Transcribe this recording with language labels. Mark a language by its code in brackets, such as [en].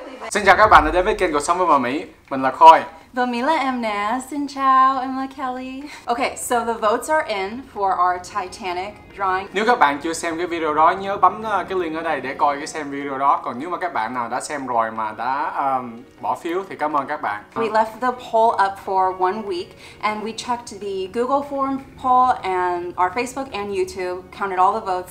[vi] Xin chào các bạn đã đến với kênh Cuộc Sống và Mỹ. Mình là Khôi. Và mình là em nè. Xin chào, em là Kelli. [en] Okay, so the votes are in for our Titanic drawing. [vi] Nếu các bạn chưa xem cái video đó, nhớ bấm cái link ở đây để coi cái xem video đó. Còn nếu mà các bạn nào đã xem rồi mà đã bỏ phiếu thì cảm ơn các bạn. [en] We left the poll up for 1 week and we checked the Google form poll and our Facebook and YouTube, counted all the votes.